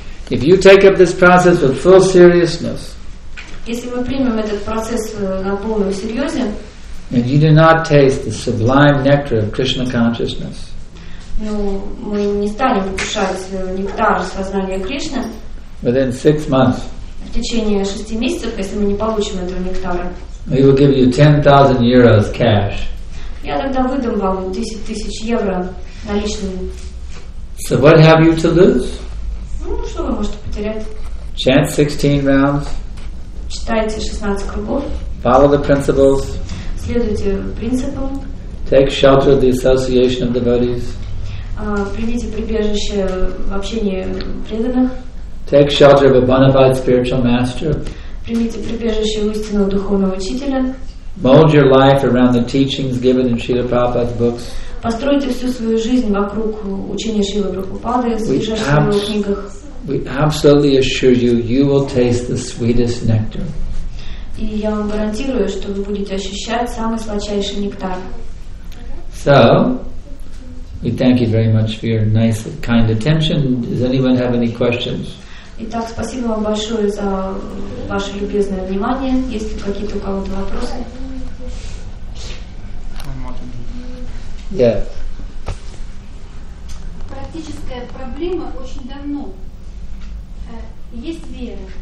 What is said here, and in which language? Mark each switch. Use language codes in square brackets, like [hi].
[en] If you take up this process with full seriousness. [ru] Если мы примем этот процесс на полном серьезе. [en] And you do not taste the sublime nectar of Krishna consciousness. [ru] Ну, мы не станем покушать нектар сознания Кришны. [en] Within 6 months. [ru] В течение 6 месяцев, если мы не получим этого нектара. [en] We will give you 10,000 euros cash. [ru] Я тогда выдам вам 10,000 евро наличными. [en] So what have you to lose? [ru] Ну, что вы можете потерять? [en] Chant 16 rounds. [ru] Читайте 16 кругов. [en] Follow the principles. [ru] Следуйте принципам. [en] Take shelter of the association of devotees. [ru] Примите прибежище в общении преданных. [en] Take shelter of a bona fide spiritual master. [ru] Примите прибежище у истинного духовного учителя. [en] Mold your life around the teachings given in Srila Prabhupada's books. [ru] Постройте всю свою жизнь вокруг учения Шрилы Прабхупады в его книгах. [en] We absolutely assure you, you will taste the sweetest nectar. [ru] И я вам гарантирую, что вы будете ощущать самый сладчайший нектар. [en] So. We thank you very much for your nice, kind attention. Does anyone have any questions? [ru] Итак, спасибо вам большое за ваше любезное внимание. Есть ли какие-то у кого-то вопросы? [en] Yes. [ru] Практическая проблема очень давно. Есть вера.